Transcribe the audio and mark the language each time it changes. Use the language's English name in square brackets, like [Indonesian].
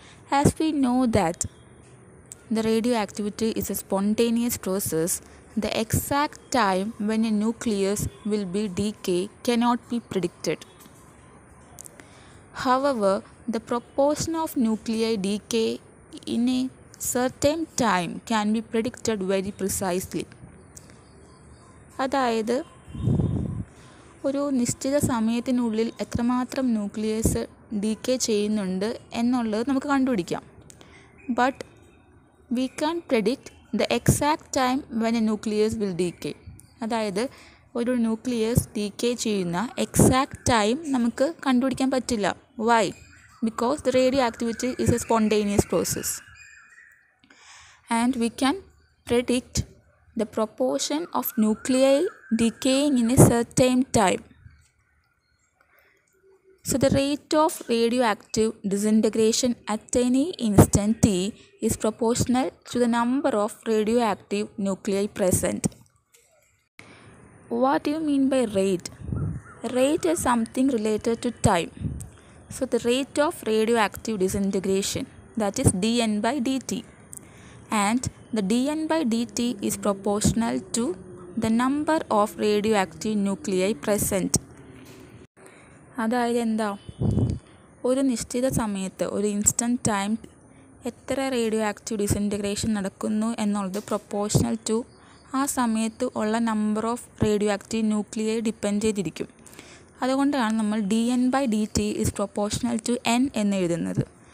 [English] As we know that the radioactivity is a spontaneous process, the exact time when a nucleus will be decay cannot be predicted. However, the proportion of nuclei decay in a certain time can be predicted very precisely. [Malayalam] അതായത് ഒരു നിശ്ചിത സമയത്തിനുള്ളിൽ എത്രമാത്രം nucleus decay ചെയ്യുന്നുണ്ട് എന്നുള്ളത് നമുക്ക് കണ്ടുപിടിക്കാം. [English] But we can predict the exact time when a nucleus will decay. [Malayalam] അതായത് ഒരു ന്യൂക്ലിയസ് ഡീകേ ചെയ്യുന്ന എക്സാക്ട് ടൈം നമുക്ക് കണ്ടുപിടിക്കാൻ പറ്റില്ല. Y? [English] Because the radioactivity is a spontaneous process. And we can predict the proportion of nuclei decaying in a certain time. So the rate of radioactive disintegration at any instant t is proportional to the number of radioactive nuclei present. What do you mean by rate? Rate is something related to time. So the rate of radioactive disintegration, that is dN by dt. And the dN by dt is proportional to the number of radioactive nuclei present. [Malayalam] അതായത് എന്താ, ഒരു നിശ്ചിത സമയത്ത് ഒരു instant time എത്ര radio active disintegration നടക്കുന്നു എന്നുള്ളത് proportional to ആ സമയത്ത് ഉള്ള number of radio active nuclei depend ചെയ്തിരിക്കും. അതുകൊണ്ടാണ് നമ്മൾ [English] D N by D T is proportional to N [Malayalam] എന്ന് എഴുതുന്നത്.